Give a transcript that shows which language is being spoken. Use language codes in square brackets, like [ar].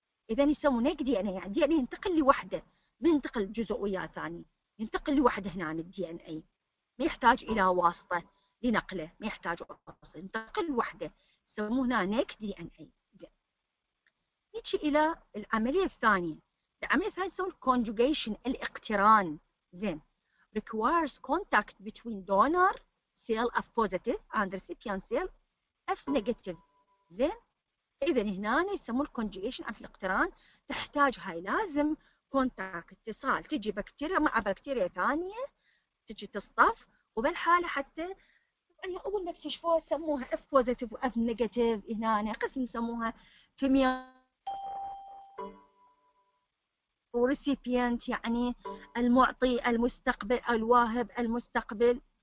[ar] إذا يسمون دي ان اي يعني دي ان اي ينتقل لوحدة، ما ينتقل جزء وياه ثاني، ينتقل لوحدة هنا الدي ان اي، ما يحتاج إلى واسطة لنقله، ما يحتاج واسطة، ينتقل لوحدة، يسمونها نيك دي ان اي. نجي إلى العملية الثانية. العملية الثانية يسمونها conjugation الاقتران. [en] زين requires contact between donor cell F positive and recipient cell F negative. [ar] زين إذا هنا يسمونها conjugation الاقتران، تحتاج هاي لازم contact اتصال، تجي بكتيريا مع بكتيريا ثانية تجي تصطف، وبالحالة حتى يعني أول ما اكتشفوها سموها F positive و F negative هنا قسم سموها فيميا ريسيبيانت يعني المعطي المستقبل الواهب المستقبل.